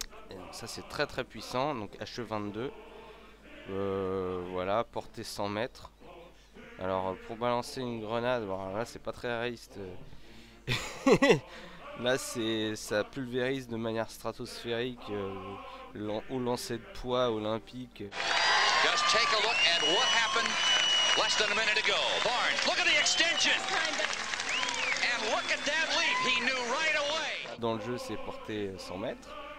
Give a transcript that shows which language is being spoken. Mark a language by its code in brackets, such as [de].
[fr] Et donc, ça c'est très très puissant, donc HE22, voilà, portée 100 mètres. Alors pour balancer une grenade, bon, là c'est pas très réaliste, là c'est ça pulvérise de manière stratosphérique au lancer de poids olympique. [en] Just take a look at what happened. Less than a minute ago, Barnes, look at the extension! And look at that leap, he knew right away! [fr] Dans le jeu, c'est porté 100 mètres.